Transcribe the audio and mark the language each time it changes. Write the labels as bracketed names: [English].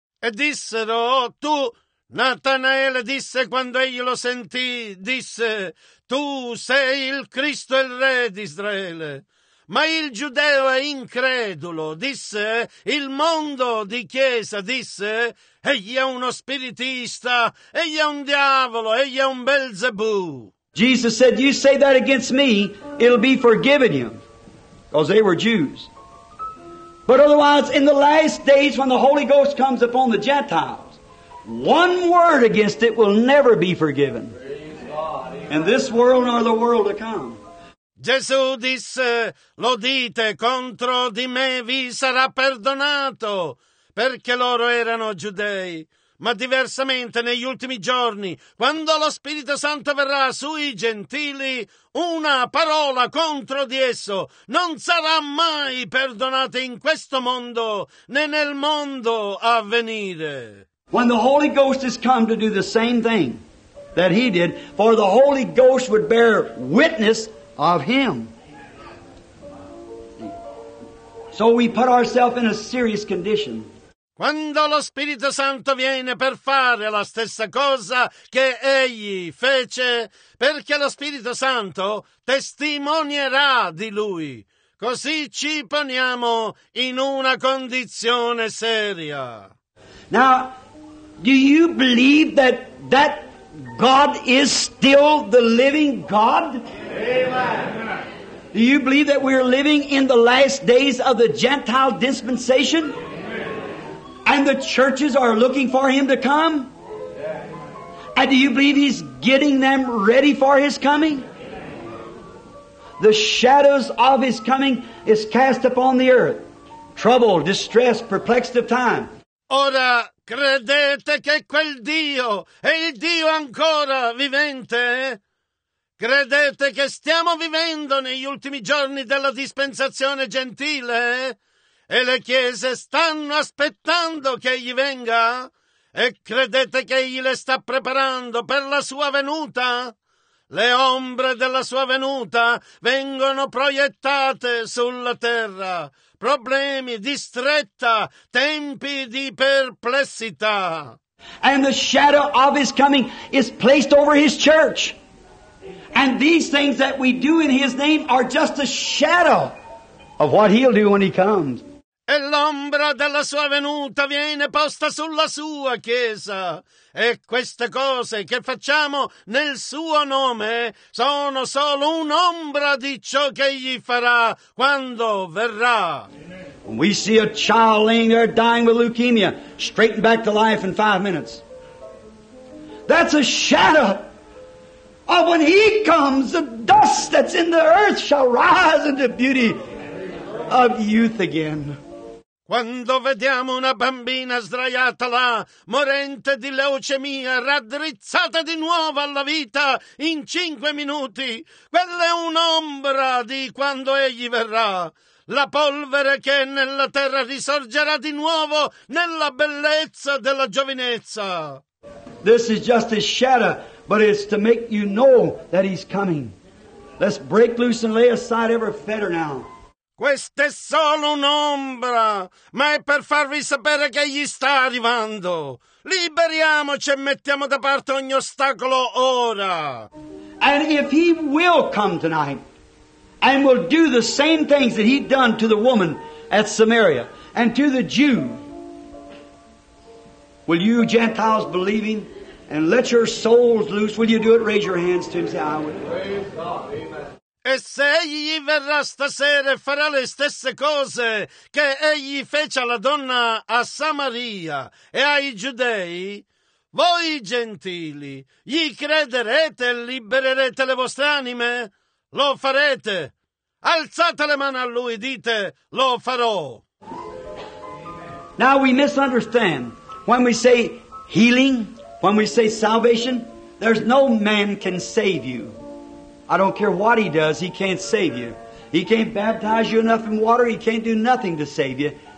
[Italian] E dissero, oh, tu, Natanaele disse quando egli lo sentì, disse, tu sei il Cristo, il re d'Israele. Ma il giudeo è incredulo, disse, il mondo di chiesa, disse, egli è uno spiritista, egli è un diavolo, egli è un Belzebù. [English] Jesus said, you say that against me, it'll be forgiven you, because they were Jews. But otherwise, in the last days when the Holy Ghost comes upon the Gentiles, one word against it will never be forgiven. In this world or the world to come. [Italian] Gesù disse, lo dite, contro di me vi sarà perdonato, perché loro erano giudei. Ma diversamente, negli ultimi giorni, quando lo Spirito Santo verrà sui gentili, una parola contro di esso non sarà mai perdonata in questo mondo, né nel mondo a venire. [English] When the Holy Ghost is come to do the same thing that he did, for the Holy Ghost would bear witness of him. So we put ourselves in a serious condition. [Italian] Quando lo Spirito Santo viene per fare la stessa cosa che egli fece, perché lo Spirito Santo testimonierà di lui. Così ci poniamo in una condizione seria. [English] Now, do you believe that that God is still the living God? Amen. Do you believe that we are living in the last days of the Gentile dispensation? And the churches are looking for him to come? And do you believe he's getting them ready for his coming? The shadows of his coming is cast upon the earth. Trouble, distress, perplexed of time. [Italian] Ora credete che quel Dio è il Dio ancora vivente? Credete che stiamo vivendo negli ultimi giorni della dispensazione gentile? E le chiese stanno aspettando che egli venga? E credete che egli le sta preparando per la sua venuta? Le ombre della sua venuta vengono proiettate sulla terra. Problemi di stretta, tempi di perplessità. [English] And the shadow of his coming is placed over his church. And these things that we do in his name are just a shadow of what he'll do when he comes. [Italian] E l'ombra della sua venuta viene posta sulla sua chiesa. E queste cose che facciamo nel suo nome sono solo un'ombra di ciò che egli farà quando verrà. [English] When we see a child laying there dying with leukemia, straighten back to life in 5 minutes. That's a shadow of when he comes, the dust that's in the earth shall rise into beauty of youth again. [Italian] Quando vediamo una bambina sdraiata là, morente di leucemia, raddrizzata di nuovo alla vita in 5 minuti, quella è un'ombra di quando egli verrà. La polvere che è nella terra risorgerà di nuovo nella bellezza della giovinezza. [English] This is just a shadow, but it's to make you know that he's coming. Let's break loose and lay aside every fetter now. [Italian] Questa è solo un'ombra, ma è per farvi sapere che egli sta arrivando. Liberiamoci e mettiamo da parte ogni ostacolo ora. [English] And if he will come tonight and will do the same things that he'd done to the woman at Samaria and to the Jew, will you Gentiles believe him and let your souls loose? Will you do it? Raise your hands to him and say, I will. Praise God. Amen. [Italian] E se egli verrà stasera e farà le stesse cose che egli fece alla donna a Samaria e ai giudei, voi gentili, gli crederete e libererete le vostre anime? Lo farete. Alzate le mani a lui, dite, lo farò. [English] Now we misunderstand. When we say healing, when we say salvation, there's no man can save you. I don't care what he does, he can't save you. He can't baptize you enough in water, he can't do nothing to save you.